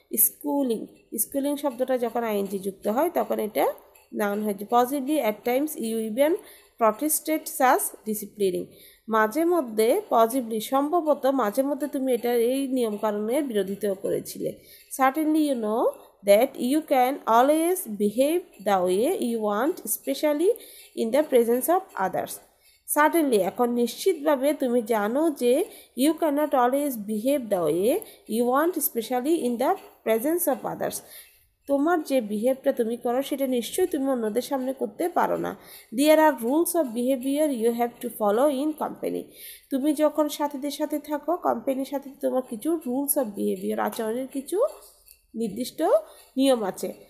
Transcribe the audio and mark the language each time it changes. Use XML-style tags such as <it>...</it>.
<bn>Schooling, schooling শব্দটা যখন ING যুক্ত হয় তখন এটা নাউন হয়েছে।</bn> <en>possibly at times you even protested such disciplining,</en> <bn>মাঝে মধ্যে, পসিবলি সম্ভবত, মাঝে মধ্যে তুমি এটার এই নিয়মকানুনের বিরোধিতাও করেছিলে।</bn> <en>Certainly you know that you can always behave the way you want, especially in the presence of others. Certainly,</en> <bn>এখন নিশ্চিতভাবে তুমি জানো যে</bn> <en>you cannot always behave the way you want, especially in the presence of others.</en> <bn>তোমার যে বিহেভটা তুমি করো সেটা নিশ্চয়ই তুমি অন্যদের সামনে করতে পারো না.</bn> <en>There are rules of behaviour you have to follow in company.</en> <bn>তুমি যখন সাথীদের সাথে থাকো কোম্পানির সাথে তোমার কিছু রুলস অফ বিহেভিয়ার আচরণের কিছু নির্দিষ্ট নিয়ম আছে.</bn>